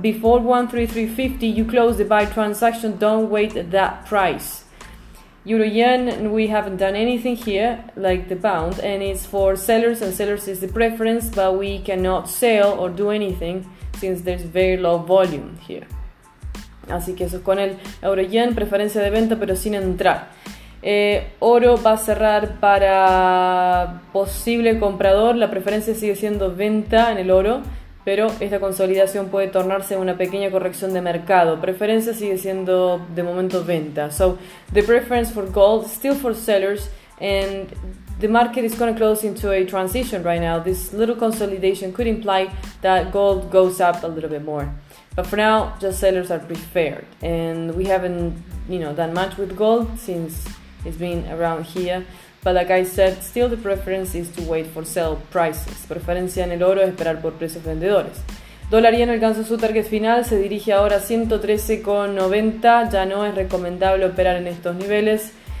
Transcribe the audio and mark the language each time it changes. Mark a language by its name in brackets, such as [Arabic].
[English] Before 1.3350, you close the buy transaction. Don't wait that price. Euro yen, we haven't done anything here, like the pound, and it's for sellers, and sellers is the preference, but we cannot sell or do anything since there's very low volume here. [Spanish] Así que eso es con el euro yen, preferencia de venta, pero sin entrar. Oro va a cerrar para posible comprador, la preferencia sigue siendo venta en el oro, pero esta consolidación puede tornarse una pequeña corrección de mercado. Preferencia sigue siendo de momento venta. [English] So the preference for gold still for sellers, and the market is going to close into a transition right now. This little consolidation could imply that gold goes up a little bit more, but for now just sellers are preferred, and we haven't, you know, done much with gold since it's been around here. But like I said, still the preference is to wait for sell prices. [Spanish] Preferencia en el oro es esperar por precios vendedores. Dólar yen alcanzó su target final, se dirige ahora a 113.90. Ya no es recomendable operar en estos niveles.